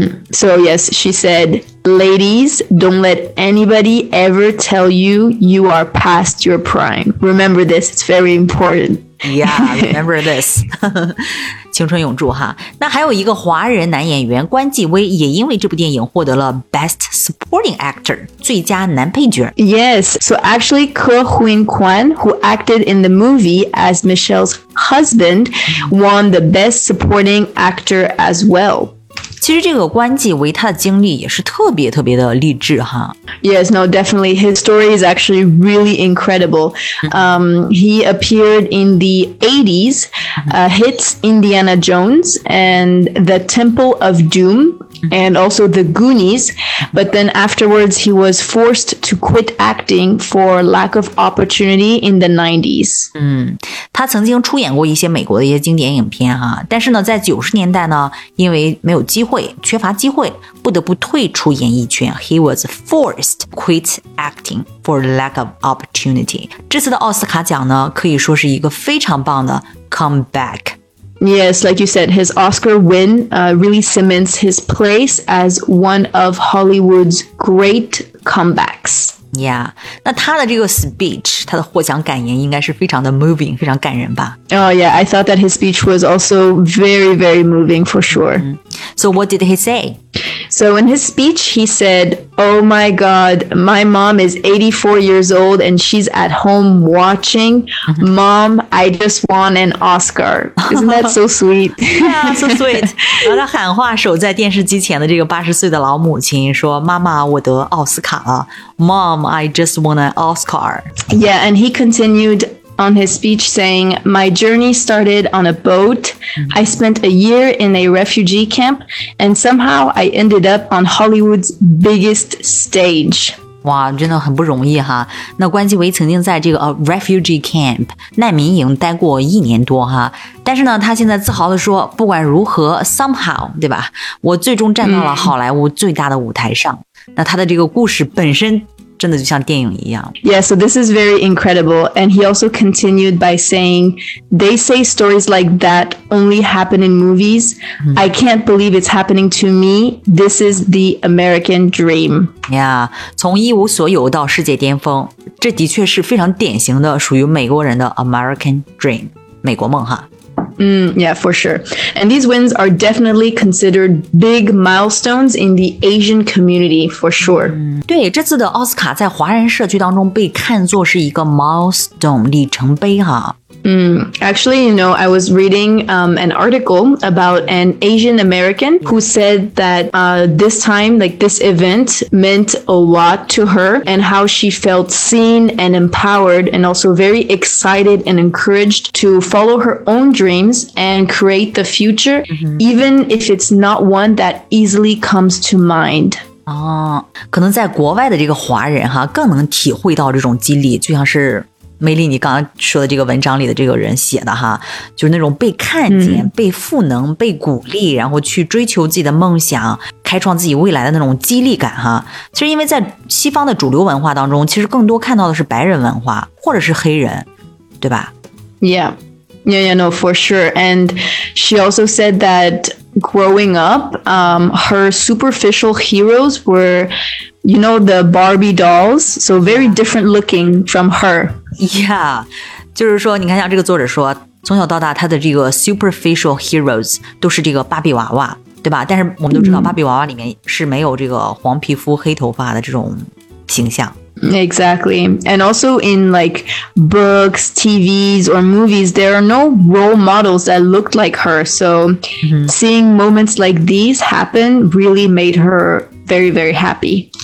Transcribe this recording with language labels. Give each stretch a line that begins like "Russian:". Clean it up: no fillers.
English: So yes, she said, ladies, don't let anybody ever tell you you are past your prime. Remember this, it's very important. Yeah, remember this.
Chinese: 青春永驻哈。那还有一个华人男演员关继威也因为这部电影获得了
English: Best Supporting Actor,
Chinese: 最佳男配角。
English: Yes, so actually, Ke Huynh Quan, who acted in the movie as Michelle's husband, won the Best Supporting Actor as well.
Chinese: 其实这个关继威他的经历也是特别特别的励志哈。
English: Yes, no, definitely. His story is actually really incredible. He appeared in the 80s, hits Indiana Jones and The Temple of Doom, and also The Goonies. But then afterwards, he was forced to quit acting for lack of opportunity in the 90s.
Chinese: 他曾经出演过一些美国的一些经典影片哈，但是呢，在90年代呢，因为没有机会，缺乏机会，不得不退出演艺圈。
English: He was forced to quit acting for lack of opportunity.
Chinese: 这次的奥斯卡奖呢，可以说是一个非常棒的 comeback.
English: Yes, like you said, his Oscar win, really cements his place as one of Hollywood's great comebacks.
Chinese: Yeah, 那他的这个 speech, 他的获奖感言应该是非常的
English: moving,
Chinese: 非常感人吧。
English: Oh yeah, I thought that his speech was also very, very moving for sure. So what did he say? So in his speech, he said, Oh my God, my mom is 84 years old and she's at home watching. Mom, I just won an Oscar. Isn't that so sweet? Yeah, so sweet.
Chinese: 然后他喊话守在电视机前的这个80岁的老母亲说妈妈我得奥斯卡了
English: Mom, I just won an Oscar. Yeah, and he continuedOn his speech saying, My journey started on a boat. I spent a year in a refugee camp, and somehow I ended up on Hollywood's biggest stage.
Chinese: 哇真的很不容易哈。那关继伟曾经在这个
English: refugee camp,
Chinese: 难民营待过一年多哈。但是呢他现在自豪地说不管如何 somehow, 对吧我最终站到了好莱坞最大的舞台上。那他的这个故事本身真的就像电影一样。
English: Yeah, so this is very incredible. And he also continued by saying, they say stories like that only happen in movies. I can't believe it's happening to me. This is the American dream.
Chinese: Yeah, 从一无所有到世界巅峰，这的确是非常典型的属于美国人的
English: American dream,
Chinese: 美国梦哈。
English: Yeah, for sure. And these wins are definitely considered big milestones in the Asian community, for sure.
Chinese: 对，这次的奥斯卡在华人社区当中被看作是一个 milestone, 里程碑哈。
English: Actually, you know, I was reading an article about an Asian American who said that this time, like this event meant a lot to her and how she felt seen and empowered and also very excited and encouraged to follow her own dreams and create the future, even if it's not one that easily comes to mind.
Chinese: 哦，可能在国外的这个华人哈，更能体会到这种激励，就像是梅丽你刚刚说的这个文章里的这个人写的哈，就是那种被看见、被赋能、被鼓励，然后去追求自己的梦想，开创自己未来的那种激励感哈。其实因为在西方的主流文化当中，其实更多看到的是白人文化或者是黑人，对吧
English: ？Yeah, no, for sure. And she also said that. Growing up, her superficial heroes were, you know, the Barbie dolls. So very different looking from her.
Chinese: Yeah, 就是说你看像这个作者说从小到大他的这个
English: superficial heroes
Chinese: 都是这个芭比娃娃对吧但是我们都知道芭比娃娃里面是没有这个黄皮肤黑头发的这种形象。
English: Exactly. And also in like books, TVs, or movies, there are no role models that looked like her. So seeing moments like these happen really made her very, very happy.